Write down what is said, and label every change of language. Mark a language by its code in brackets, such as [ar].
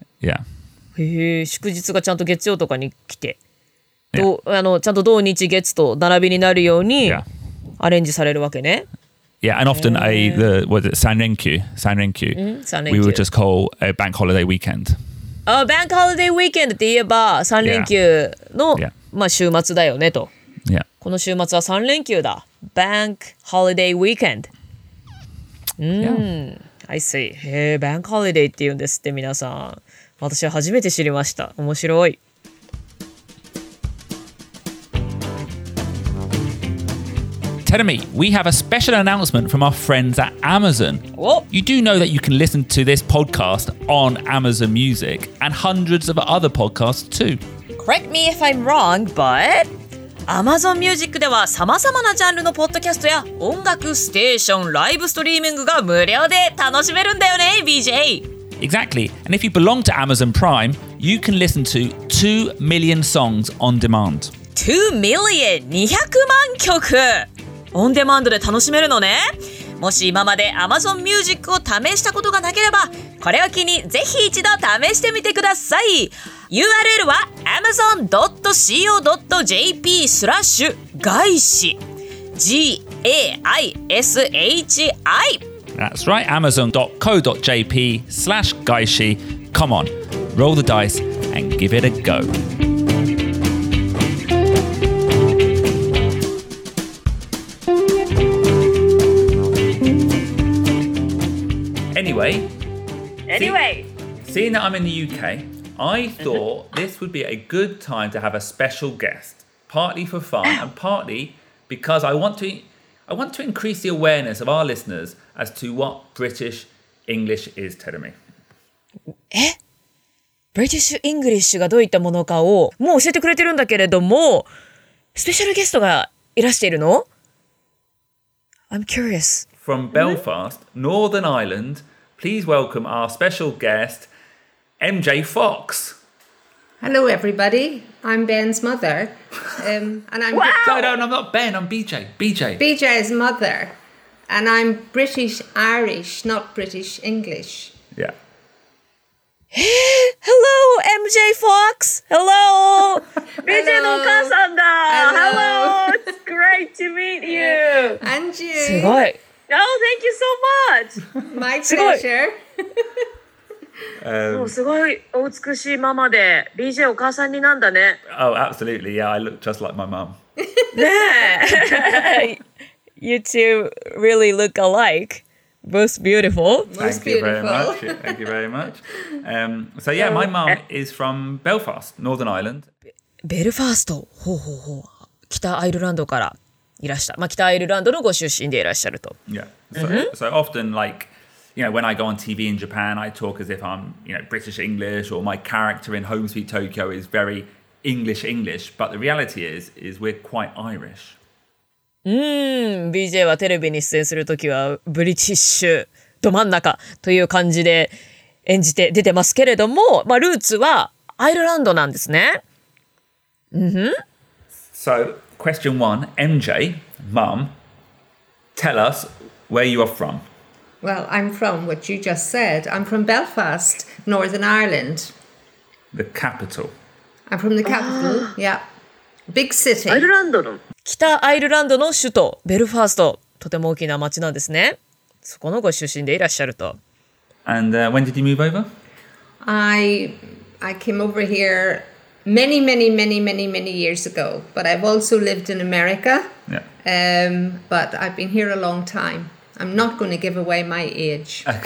[en] Yeah. [ja] へえ、祝日がちゃんと月曜とかに来て。あのちゃんと土日月と並びになるようにアレンジされるわけね。 [en] Yeah, and often the 三連休 we would just call a bank holiday weekend. Bank holiday weekend [ja] って言えば三連休の、まあ、週末だよねと。 [en] Yeah. [ja] この週末は三連休だ。 [en] Bank holiday weekend. I see. [ja] へえ、 [en] bank holiday [ja] って言うんですって皆さん。私は初めて知りました。面白い。 [en] Tenami, we have a special announcement from our friends at Amazon. Oh. You do know that you can listen to this podcast on Amazon Music and hundreds of other podcasts too. Correct me if I'm wrong, [ja] but Amazon Music では様々なジャンルのポッドキャストや音楽ステーション、ライブストリーミングが無料で楽しめるんだよね、BJ! [en] Exactly, and if you belong to Amazon Prime, you can listen to 2 million songs on demand. 2 million! [ja] 200万曲! オンデマンドで楽しめるのね。もし今まで Amazon Music を試したことがなければ、これを機にぜひ一度試してみてください。 URL は amazon.co.jp/gaishi G-A-I-S-H-I [en] That's right, amazon.co.jp/gaishi Come on, roll the dice and give it a go. Anyway, seeing that I'm in the UK, I thought this would be a good time to have a special guest, partly for fun and partly because I want to, I want to increase the awareness of our listeners as to what British English is, Terumi. [ja] え? British English がどういったものかをもう教えてくれてるんだけれども、スペシャルゲストがいらしているの? [en] I'm curious. From Belfast, Northern Ireland, please welcome our special guest, MJ Fox. Hello, everybody. I'm Ben's mother. And I'm wow! No, I'm not Ben. I'm BJ. BJ. BJ's mother. And I'm British Irish, not British English. Yeah. Hello, MJ Fox. Hello. [ja] BJ のお母さんだ。 [en] Hello. It's great to meet you. And you. [ja] すごい。 [en] Oh, thank you so much. My pleasure. [ja] すごいお美しいママで BJ お母さんになんだね。 [en] Oh, absolutely. Yeah, I look just like my mom. [ja] ねえ。 [en] You two really look alike. Both beautiful. Thank you very much. Thank you very much. So yeah, my mom is from Belfast, Northern Ireland. [ja] Belfast. ほうほうほう。北アイルランドからいらした。まあ北アイルランドのご出身でいらっしゃると。 [en] Yeah. So often like,You know, when I go on TV in Japan, I talk as if I'm, you know, British English, or my character in Home Sweet Tokyo is very English English. But the reality is we're quite Irish. [ja] BJ はテレビに出演するときはブリティッシュど真ん中という感じで演じて出てますけれども、まあ、ルーツはアイルランドなんですね。 Mm-hmm. [en] So, question one, MJ, Mum, tell us where you are from. Well, I'm from what you just said. I'm from Belfast, Northern Ireland. The capital. I'm from the capital, yeah. Big city. Ireland. [ja] 北アイルランドの首都、ベルファースト。とても大きな町なんですね。そこのご出身でいらっしゃると。 [en] And when did you move over? I came over here many, many, many, many, many years ago. But I've also lived in America. Yeah. But I've been here a long time. I'm not going to give away my age.